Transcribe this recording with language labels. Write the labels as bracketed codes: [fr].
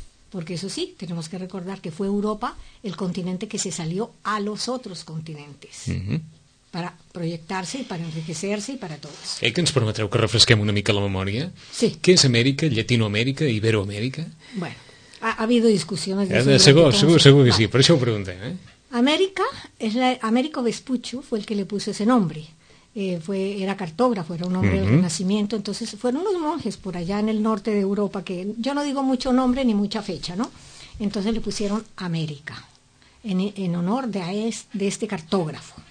[es] Porque eso sí, tenemos que recordar que fue Europa el continente que se salió a los otros continentes. Para proyectarse, para enriquecerse y para todos. [ca] ¿Eh, que ens permetreu que refresquem una mica la memòria? Sí. [es] ¿Qué es América, Latinoamérica, Iberoamérica? Bueno, ha habido discusiones. [ca] Segur que sí, per això ho preguntem, [es] América, Américo Vespucci fue el que le puso ese nombre. Era cartógrafo, era un hombre del Renacimiento. Entonces fueron unos monjes por allá en el norte de Europa, que yo no digo mucho nombre ni mucha fecha, ¿no? Entonces le pusieron América, en honor de este cartógrafo.